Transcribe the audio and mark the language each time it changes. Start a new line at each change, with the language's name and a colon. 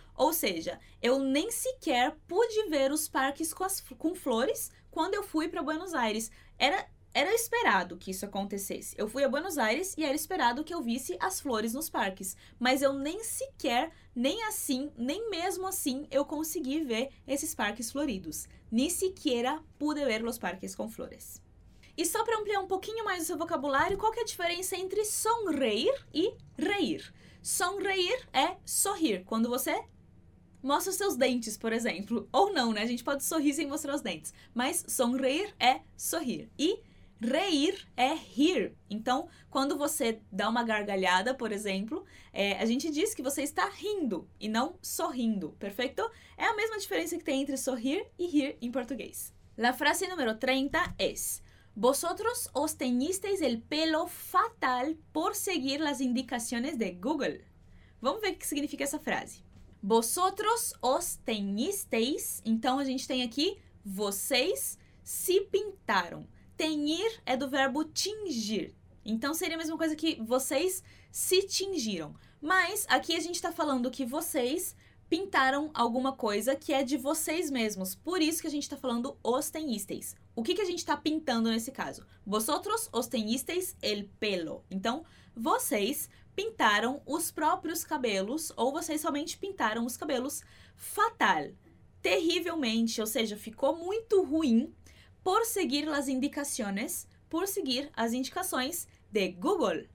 Portuguese: Ou seja, eu nem sequer pude ver os parques com flores quando eu fui para Buenos Aires. Era esperado que isso acontecesse. Eu fui a Buenos Aires e era esperado que eu visse as flores nos parques. Mas eu nem sequer, nem assim, nem mesmo assim, eu consegui ver esses parques floridos.
Spanish: Ni siquiera pude ver los parques con flores.
Portuguese: E só para ampliar um pouquinho mais o seu vocabulário, qual que é a diferença entre sonreír e reír? Sonreír é sorrir, quando você mostra os seus dentes, por exemplo. Ou não, né? A gente pode sorrir sem mostrar os dentes. Mas sonreír é sorrir. E reír é rir. Então, quando você dá uma gargalhada, por exemplo, a gente diz que você está rindo e não sorrindo, perfeito? É a mesma diferença que tem entre sorrir e rir em português.
Spanish: La frase número 30 é: vosotros os teñisteis el pelo fatal por seguir las indicaciones de Google.
Portuguese: Vamos ver o que significa essa frase.
Spanish: Vosotros os teñisteis,
Portuguese: então a gente tem aqui, vocês se pintaram. Teñir é do verbo tingir. Então, seria a mesma coisa que vocês se tingiram. Mas, aqui a gente está falando que vocês pintaram alguma coisa que é de vocês mesmos. Por isso que a gente está falando
Spanish: os teñisteis.
Portuguese: O que, que a gente está pintando nesse caso?
Spanish: Vosotros os teñisteis el pelo.
Portuguese: Então, vocês pintaram os próprios cabelos ou vocês somente pintaram os cabelos fatal. Terrivelmente, ou seja, ficou muito ruim. Por seguir as indicações, por seguir as indicações de Google.